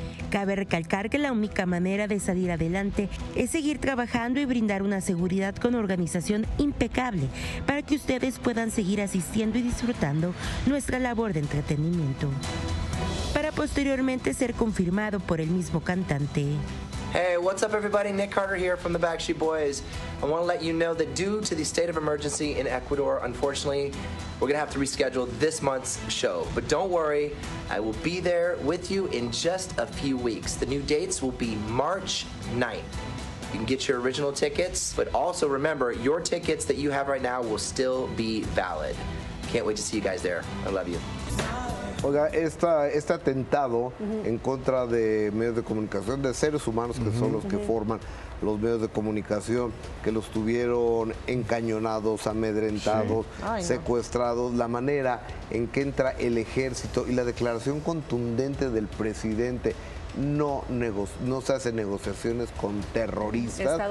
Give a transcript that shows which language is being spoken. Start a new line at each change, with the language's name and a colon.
Spanish: Cabe recalcar que la única manera de salir adelante es seguir trabajando y brindar una seguridad con organización impecable para que ustedes puedan seguir asistiendo y disfrutando nuestra labor de entretenimiento. Para posteriormente ser confirmado por el mismo cantante.
English: Hey, what's up everybody? Nick Carter here from the Backstreet Boys. I want to let you know that due to the state of emergency in Ecuador, unfortunately, we're going to have to reschedule this month's show. But don't worry, I will be there with you in just a few weeks. The new dates will be March 9th. You can get your original tickets, but also remember, your tickets that you have right now will still be valid. Can't wait to see you guys there. I love you.
Spanish: Oiga, este atentado en contra de medios de comunicación, de seres humanos que son los que forman los medios de comunicación, que los tuvieron encañonados, amedrentados, secuestrados, la manera en que entra el ejército y la declaración contundente del presidente, no se hacen negociaciones con terroristas.